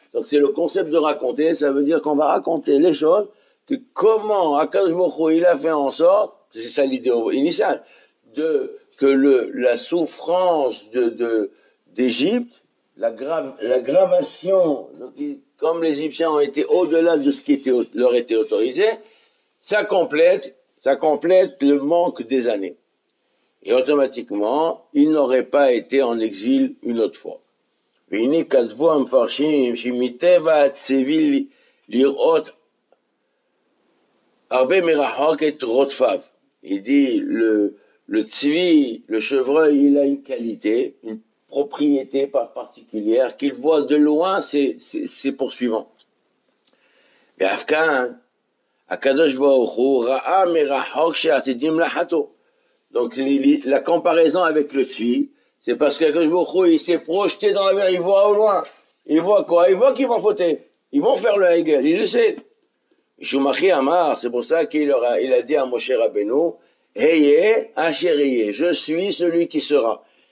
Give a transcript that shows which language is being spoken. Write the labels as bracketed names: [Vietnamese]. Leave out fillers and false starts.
[French] Donc c'est le concept de raconter, ça veut dire qu'on va raconter les choses, que comment Akadosh Baruch Hu il a fait en sorte, c'est ça l'idée initiale, de que la souffrance d'Égypte, l'aggravation, comme les Égyptiens ont été au-delà de ce qui leur était autorisé, ça complète le manque des années. Et automatiquement, ils n'auraient pas été en exil une autre fois. [Hebrew] והנה כתבו המפרשים שמטבע הצבי לראות הרבה מרחוק את רודפיו. [French] Il dit, le צבי, le chevreuil, il a une qualité, une propriété particulière, qu'il voit de loin ses poursuivants. [Hebrew] ואף כאן, הקדוש ברוך הוא ראה מרחוק שעתידים לחטוא. [French] Donc la comparaison avec le צבי, c'est parce que Akadosh Baruch Hu, il s'est projeté dans la mer, il voit au loin. Il voit quoi? Il voit qu'ils vont fauter. Ils vont faire le Hegel, il le sait. Shumachi Amar, c'est pour ça qu'il a dit à Moshe Rabbeinu, Heye Asheriye, je suis celui qui sera.